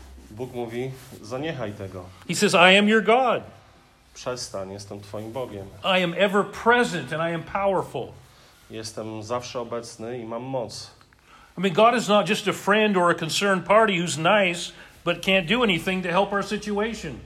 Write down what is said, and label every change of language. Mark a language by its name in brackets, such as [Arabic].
[Polish] Bóg mówi, zaniechaj tego. [English] He says, I am your God. [Polish] Przestań, jestem twoim Bogiem. [English] I am ever present and I am powerful. [Polish] Jestem zawsze obecny i mam moc. [English] I mean, God is not just a friend or a concerned party who's nice, but can't do anything to help our situation.